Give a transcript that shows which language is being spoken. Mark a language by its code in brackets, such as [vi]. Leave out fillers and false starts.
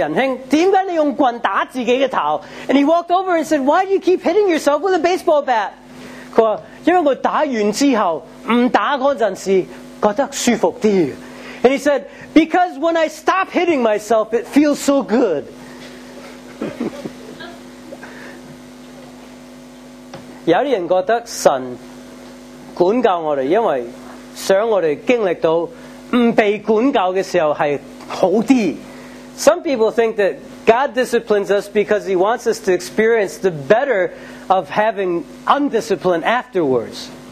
[zh] 然后他走过来问这个人兄,为什么你用棍打自己的头? [en] And he walked over and said, why do you keep hitting yourself with a baseball bat? [zh] 他说,因为我打完之后,不打那时候,觉得舒服一点。 [en] And he said, because when I stop hitting myself, it feels so good. [zh] 有些人觉得神管教我们,因为 [en] Some people think that God disciplines us because He wants us to experience the better of having undiscipline afterwards.